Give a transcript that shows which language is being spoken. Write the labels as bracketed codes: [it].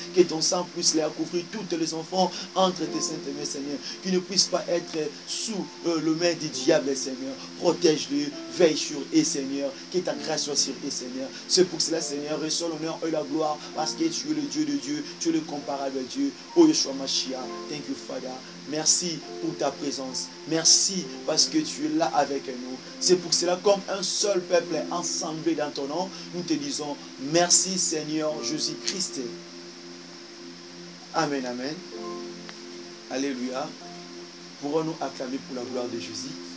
[fr] Que ton sang puisse les couvrir tous les enfants entre tes saintes mains, Seigneur. Qu'ils ne puissent pas être sous le main du diable, Seigneur. Protège-les, veille sur eux, Seigneur. Que ta grâce soit sur eux, Seigneur. C'est pour cela, Seigneur, reçois l'honneur et la gloire parce que tu es le Dieu de Dieu, tu es le comparable à Dieu. [en] Oh Yeshua Mashiach, thank you, Father. [fr] Merci pour ta présence. Merci parce que tu es là avec nous. C'est pour cela, comme un seul peuple est ensemble dans ton nom, nous te disons merci, Seigneur Jésus-Christ. Amen, amen. Alléluia. Pourrons-nous acclamer pour la gloire de Jésus?